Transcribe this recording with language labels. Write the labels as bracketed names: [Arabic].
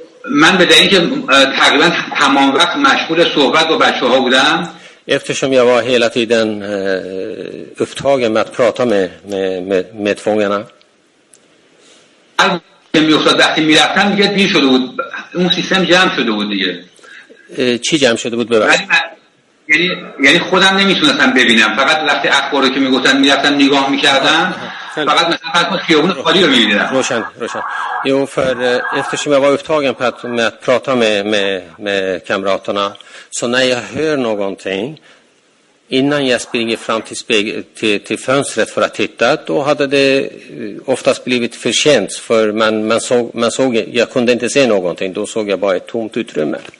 [Persian] من به دلیل اینکه تقریبا تمام وقت مشغول صحبت با بچه‌ها بودم. [Swedish] Eftersom jag var hela tiden upptagen med att prata med fångarna. [Persian] که میافتاد وقتی میرفتم دیگه دیر شده بود، اون سیستم جمع شده بود دیگه. چی جمع شده بود ببخش؟ یعنی خودم نمیتونستم ببینم، فقط وقتی اخبارو که میگفتن میرفتم نگاه میکردم. Roshan, Roshan. [Swedish] Jo, för eftersom jag var upptagen på att prata med kamraterna, så när jag hör någonting innan jag springer fram till fönstret för att titta, då hade det oftast blivit för sent, för man såg, jag kunde inte se någonting, då såg jag bara ett tomt utrymme.